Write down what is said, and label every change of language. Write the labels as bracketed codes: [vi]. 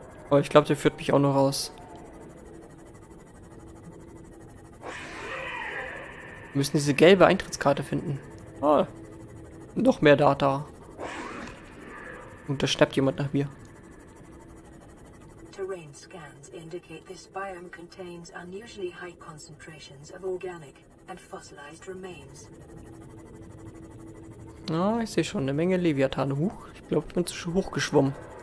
[de] Oh, ich glaube, der führt mich auch noch raus. Wir müssen diese gelbe Eintrittskarte finden. Oh, noch mehr Data. Und da schnappt jemand nach mir. [en] Terrain scans indicate this biome contains unusually high concentrations of organic and fossilized remains. [de] Na, oh, ich sehe schon eine Menge Leviathane. Huch, ich glaube, ich bin zu hoch geschwommen.